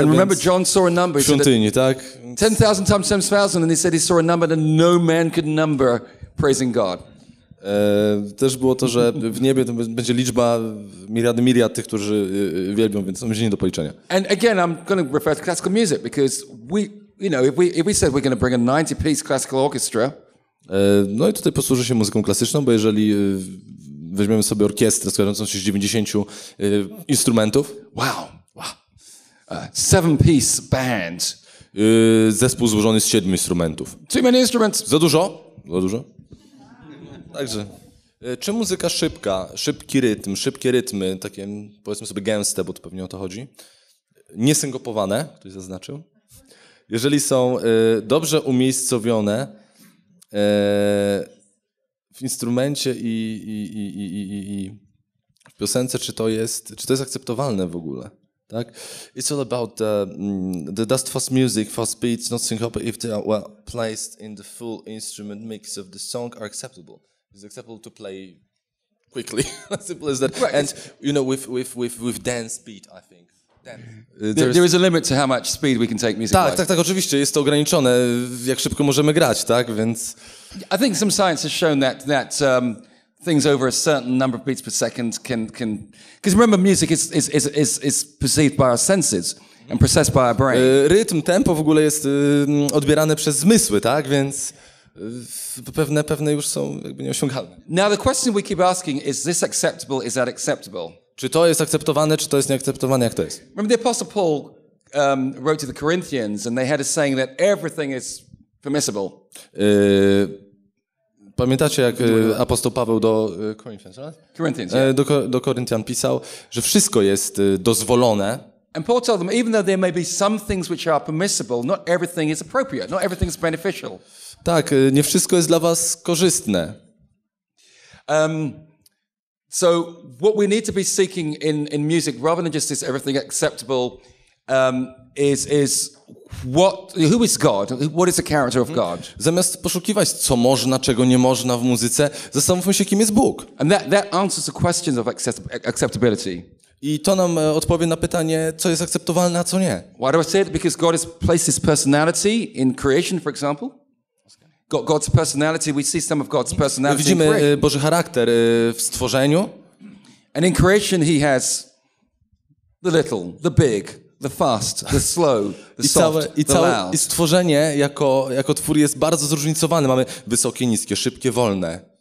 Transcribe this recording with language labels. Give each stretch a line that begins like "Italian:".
English: And remember, John saw a number.
Polish: Świątyni, tak?
English: 10,000 times 10,000, and he said he saw a number that no man could number, praising God.
Polish: Też było to, że w niebie to będzie liczba miliard tych, którzy wielbią, więc to będzie nie do policzenia.
English: And again, I'm going to refer to classical music because if we said we're going to bring a 90-piece classical orchestra.
Polish: No i tutaj posłużę się muzyką klasyczną, bo jeżeli weźmiemy sobie orkiestrę składającą się z 90 instrumentów.
English: Wow. Seven-piece band.
Polish: Zespół złożony z 7 instrumentów.
English: Too many instruments.
Polish: Za dużo. Także, czy muzyka szybka, szybkie rytmy, takie powiedzmy sobie gęste, bo to pewnie o to chodzi, niesynkopowane, ktoś zaznaczył, jeżeli są dobrze umiejscowione w instrumencie i w piosence, czy to jest akceptowalne w ogóle, tak?
English: It's all about the dust fast music, fast beats, not syncope, if they are well placed in the full instrument mix of the song are acceptable. It's acceptable to play quickly, as simple as that. Right. And you know, with dance beat, I think. There is a limit to how much speed we can take music.
Polish: Tak, oczywiście, jest to ograniczone, jak szybko możemy grać, tak? Więc
English: I think some science has shown that things over a certain number of beats per second can because remember music is perceived by our senses and processed by our brain.
Polish: Rytm, tempo w ogóle jest odbierane przez zmysły, tak? Więc pewne już są jakby nieosiągalne.
English: Now the question we keep asking is this acceptable, is that acceptable?
Polish: Czy to jest akceptowane, czy to jest nieakceptowane, jak to jest?
English: Remember the Apostle Paul wrote to the Corinthians and they had a saying that everything is permissible.
Polish: Pamiętacie, jak apostoł Paweł do
English: Corinthians, right? Corinthians, yeah.
Polish: Do Koryntian pisał, że wszystko jest dozwolone.
English: And Paul told them, even though there may be some things which are permissible, not everything is appropriate, not everything is beneficial.
Polish: Tak, nie wszystko jest dla was korzystne.
English: So what we need to be seeking in music, rather than just this everything acceptable, is what, who is God? What is the character of God?
Polish: Zamiast poszukiwać, co można, czego nie można w muzyce, zastanówmy się, kim jest Bóg.
English: And that answers the question of acceptability.
Polish: I to nam odpowie na pytanie, co jest akceptowalne, a co nie.
English: Why do I say it? Because God has placed his personality in creation, for example. God's personality, we see some of God's personality.
Polish: My widzimy Boży charakter w stworzeniu.
English: And in creation he has the little, the big, The fast, the slow, the soft, the loud.
Polish: I stworzenie jako twór jest bardzo zróżnicowane. Mamy wysokie, niskie, szybkie, wolne.